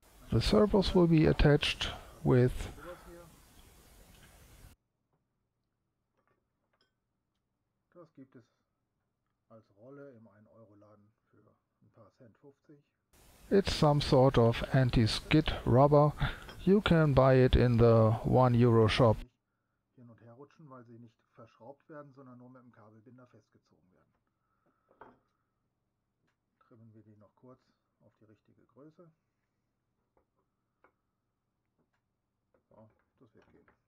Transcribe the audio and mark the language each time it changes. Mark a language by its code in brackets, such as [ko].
[en] The servos will be attached with [de] Das gibt es als Rolle im 1-Euro-Laden für ein paar Cent 50. [en] It's some sort of anti-skid rubber. You can buy it in the 1-Euro shop. [de] Hin und her rutschen, weil sie nicht verschraubt werden, sondern nur mit dem Kabelbinder festgezogen werden. Trimmen wir die noch kurz auf die richtige Größe. So, das wird gehen.